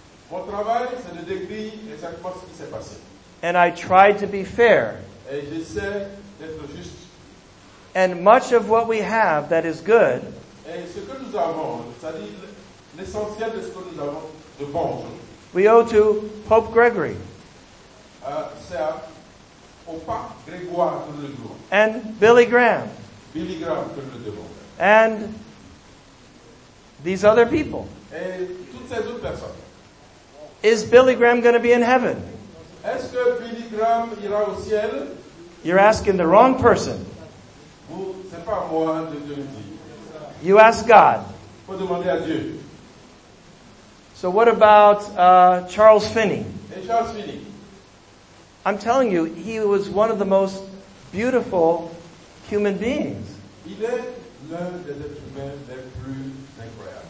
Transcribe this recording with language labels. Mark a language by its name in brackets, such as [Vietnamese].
[French] Mon travail, c'est de décrire exactement ce qui s'est passé. [English] And I try to be fair. [French] Et j'essaie d'être juste. [English] And much of what we have that is good [French] et ce que nous avons, c'est-à-dire l'essentiel de ce que nous avons de bon aujourd'hui. [English] We owe to Pope Gregory. [French] C'est au pape Grégoire que nous le devons. [English] And Billy Graham. [French] Billy Graham que nous le devons. [English] And these other people. [French] Et toutes ces autres personnes. [English] Is Billy Graham going to be in heaven? [French] Est-ce que Billy Graham ira au ciel? [English] You're asking the wrong person. [French] Vous, c'est pas moi, Dieu le dit. [English] You ask God. [French] Faut demander à Dieu. [English] So what about Charles Finney? [French] Et Charles Finney? [English] I'm telling you, he was one of the most beautiful human beings. [French] Il est l'un des êtres humains les plus incroyables.